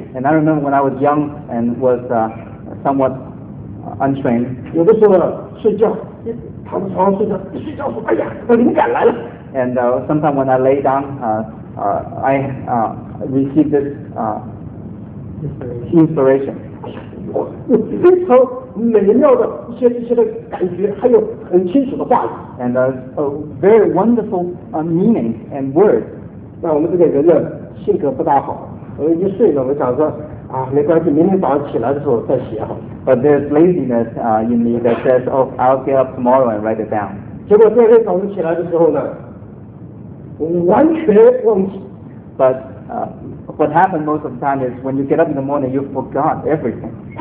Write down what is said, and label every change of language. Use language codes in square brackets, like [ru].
[en] And I remember when I was young and was somewhat untrained. [zh] 有的时候睡觉，躺在床上睡觉，一睡觉说，哎呀，我灵感来了。 [en] And sometimes when I lay down, I receive this inspiration. [zh] 非常美妙的一些感觉，还有很清楚的话语。 [en] And a very wonderful meaning and words. [zh] 那我们这个人呢，性格不大好。我们一睡呢，我们想说啊，没关系，明天早上起来的时候再写好。 [en] But there's laziness in me that says, "Oh, I'll get up tomorrow and write it down." [zh] 结果第二天早上起来的时候呢？完全忘记 [en] but what happens most of the time is when you get up in the morning you forgot everything